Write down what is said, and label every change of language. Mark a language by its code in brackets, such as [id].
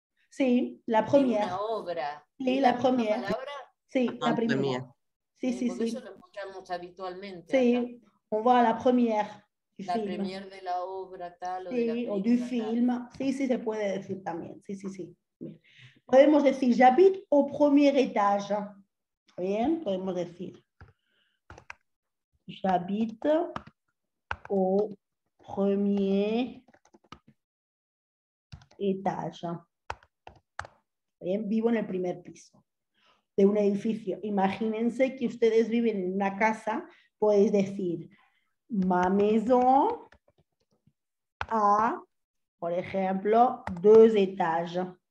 [es] Sí, la premiere. Una obra. Sí, la premiere. ¿La palabra? Sí, la premiere. Sí, sí, sí. Por eso lo escuchamos habitualmente. Sí, acá. [fr] On va a la premiere. [es] La premiere de la obra tal o sí, de la película, [fr] o du film. [es] Sí, sí, se puede decir también. Sí, sí, sí. Bien. Podemos decir, [fr] j'habite au premier étage. [es] ¿Está bien? Podemos decir. [fr] J'habite au premier étage. [es] Bien, vivo en el primer piso de un edificio. Imagínense que ustedes viven en una casa, podéis decir, [fr] ma maison a, [es] por ejemplo, [fr] deux étages.